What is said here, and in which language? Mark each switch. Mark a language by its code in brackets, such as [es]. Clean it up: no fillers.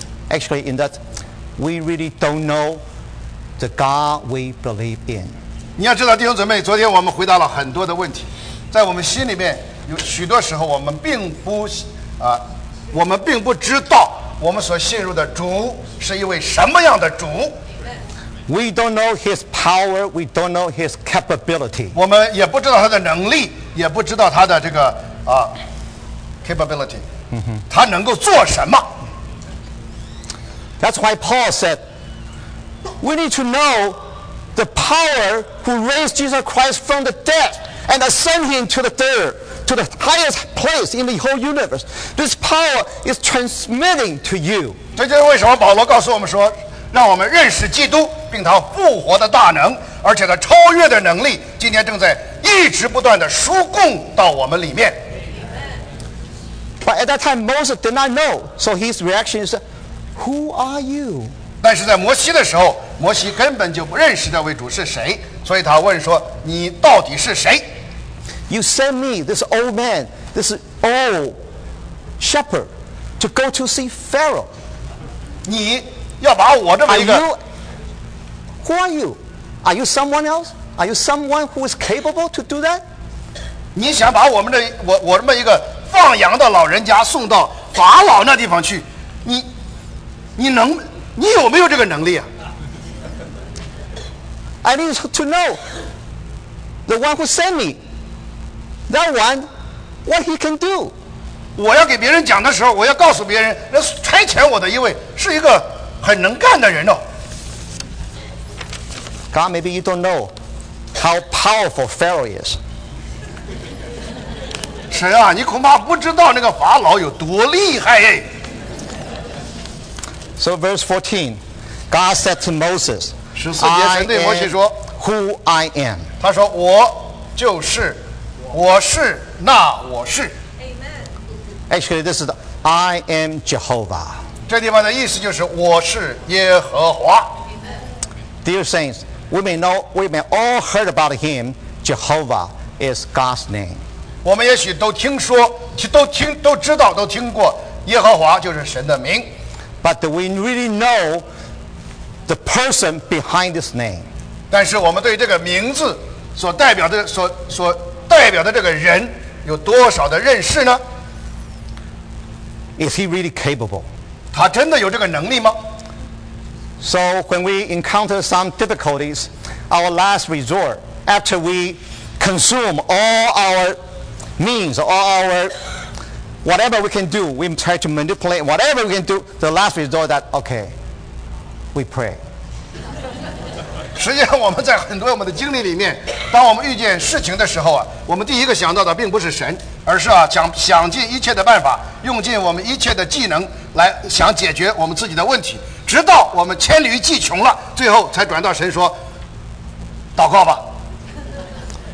[en] Actually, in that, we really don't know the God we believe in. [zh] 你要知道，弟兄姊妹，昨天我们回答了很多的问题，在我们心里面有许多时候，我们并不我们并不知道我们所信入的主是一位什么样的主。 [en] We don't know his power. We don't know his capability. [zh] 我们也不知道他的能力，也不知道他的这个capability. 他能够做什么？ [en] That's why Paul said, "We need to know the power who raised Jesus Christ from the dead and ascended him to the third, to the highest place in the whole universe. This power is transmitting to you." [zh] 这就是为什么保罗告诉我们说，让我们认识基督。并他复活的大能，而且他超越的能力，今天正在一直不断的输供到我们里面。 [en] But at that time Moses did not know, so his reaction is, "Who are you?" [zh] 但是在摩西的时候，摩西根本就不认识这位主是谁，所以他问说：“你到底是谁？” [en] You sent me this old man, this old shepherd, to go to see Pharaoh. [zh] 你要把我这么一个。 [en] Who are you? Are you someone else? Are you someone who is capable to do that? [zh] 你想把我们的我这么一个放羊的老人家送到法老那地方去，你有没有这个能力啊？ [en] I need to know the one who sent me. That one, what he can do. [zh] 我要给别人讲的时候，我要告诉别人，那差遣我的一位是一个很能干的人哦。 [en] God, maybe you don't know how powerful Pharaoh is. [zh] 神啊，你恐怕不知道那个法老有多厉害哎。 [en] So verse 14, God said to Moses, [zh] 十四节神对摩西说 [en] ，Who I am. [zh] 他说我就是，我是那我是。 [en] Amen. Actually, this is the I am Jehovah. [zh] 这地方的意思就是我是耶和华。 [en] Amen. Dear saints. We may all heard about him. Jehovah is God's name. [zh] 我们也许都听说，都听，都知道，都听过，耶和华就是神的名。 [en] But do we really know the person behind this name? [zh] 但是我们对这个名字所代表的所代表的这个人有多少的认识呢？ [en] Is he really capable? [zh] 他真的有这个能力吗？ [en] So when we encounter some difficulties, our last resort, after we consume all our means, all our whatever we can do, we try to manipulate whatever we can do, the last resort that, okay, we pray. [zh] 实际上我们在很多我们的经历里面，当我们遇见事情的时候啊，我们第一个想到的并不是神，而是啊想尽一切的办法，用尽我们一切的技能来想解决我们自己的问题。直到我们黔驴技穷了，最后才转到神说：“祷告吧。”